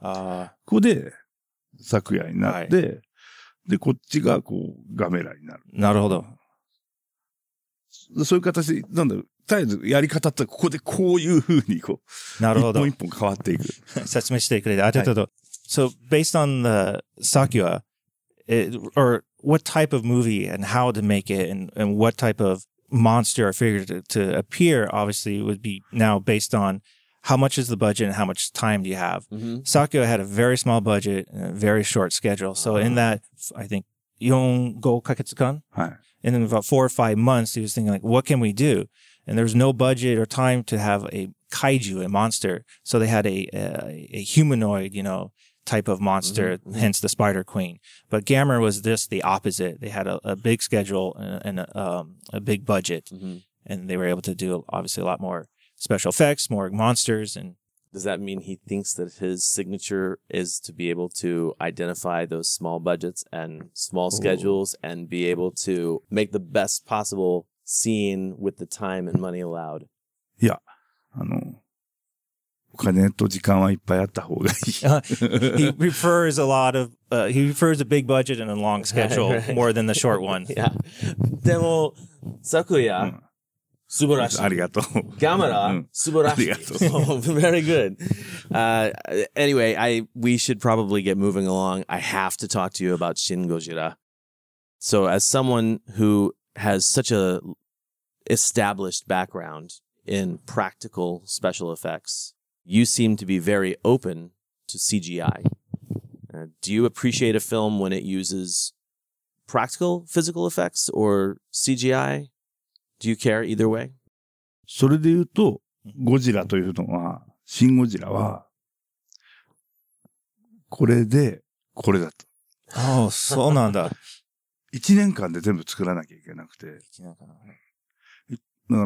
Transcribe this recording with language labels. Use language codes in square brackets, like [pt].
[ja] ああ。ここで、昨夜になって、はい、で、こっちが、こう、ガメラになる。なるほど。そういう形で、なんだろう、とりあえずやり方って、ここでこういう風にこう、なるほど。一本一本変わっていく。説明してくれて、ありがとう。 [en] So, based on the Sakura, or what type of movie and how to make it and what type of monster or figure to appear, obviously, would be now based on how much is the budget and how much time do you have. Mm-hmm. Sakura had a very small budget and a very short schedule. So, uh-huh. in that, I think, [ja] 4 ヶ月間? [en] Right. And in about 4 or 5 months, he was thinking, like, what can we do? And there was no budget or time to have a kaiju, a monster. So, they had a humanoid, you know, type of monster, mm-hmm. hence the Spider Queen. But Gamera was just the opposite. They had a big schedule and a big budget. Mm-hmm. And they were able to do, obviously, a lot more special effects, more monsters. And does that mean he thinks that his signature is to be able to identify those small budgets and small Ooh. Schedules and be able to make the best possible scene with the time and money allowed? Yeah. [ja] お金と時間はいっぱいあった方がいい。 [en] He prefers a lot of, he prefers a big budget and a long schedule more than the short one. Yeah. [ja] でも、Sakuya, 素晴らしい。ありがとう。 Gamera, 素晴らしい。ありがとう。 [en] Very good. Anyway, we should probably get moving along. I have to talk to you about Shin Godzilla. So as someone who has such a established background in practical special effects,You seem to be very open to CGI. Do you appreciate a film when it uses practical physical effects or CGI? Do you care either way? [ja] それで言うと、ゴジラというのは、シン・ゴジラは、これで、これだと。ああ、そうなんだ。一年間で全部作らなきゃいけなくて。一年間。